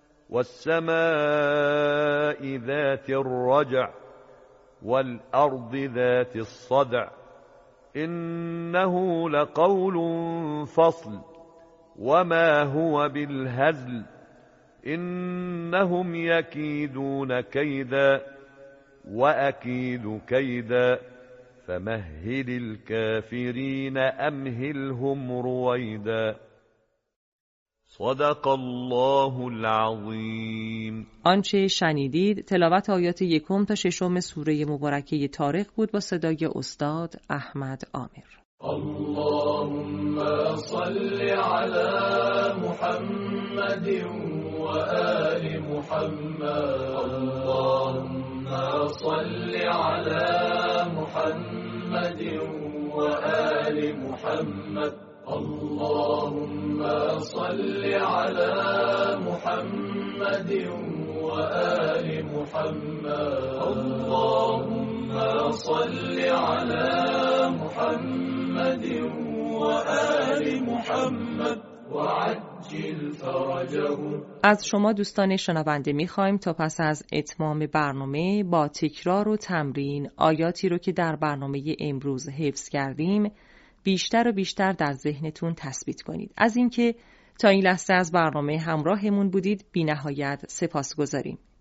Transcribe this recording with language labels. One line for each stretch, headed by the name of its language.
Arabic: والسماء ذات الرجع والأرض ذات الصدع إنه لقول فصل وما هو بالهزل إنهم يكيدون كيدا وأكيد كيدا فمهل الكافرين أمهلهم رويدا. صدق الله العظيم.
Persian: آنچه شنیدید تلاوت آیات 1 تا 6 سوره مبارکه طارق بود با صدای استاد احمد عامر.
Arabic: اللهم صل على محمد وآل محمد اللهم صل على محمد وآل محمد اللهم صل على محمد وآل محمد اللهم صل على محمد وآل محمد وعجل فرجه.
Persian: از شما دوستان شنونده میخواییم تا پس از اتمام برنامه با تکرار و تمرین آیاتی رو که در برنامه امروز حفظ کردیم بیشتر و بیشتر در ذهنتون تثبیت کنید. از اینکه تا این لحظه از برنامه همراهمون بودید بی نهایت سپاسگزاریم.